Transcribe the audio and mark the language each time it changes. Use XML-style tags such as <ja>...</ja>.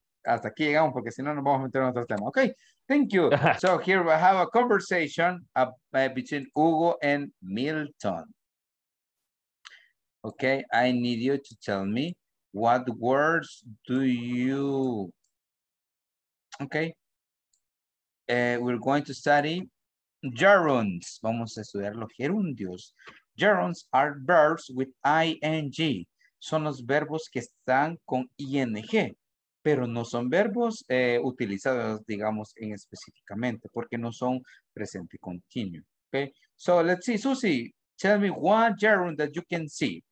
<es>Hasta aquí llegamos porque si no nos vamos a meter en otro tema.</es> <en>Okay, thank you. So here we have a conversation between Hugo and Milton. Okay, I need you to tell me what words do you... Okay. We're going to study gerunds.</en> <es>Vamos a estudiar los gerundios.</es> <en>Gerunds are verbs with ing.</en> <es>son los verbos que están con ing, pero no son verbos utilizados, digamos, en específicamente, porque no son presente continuo.</es> <en>Okay. So let's see, Susie, tell me one gerund that you can see.</en>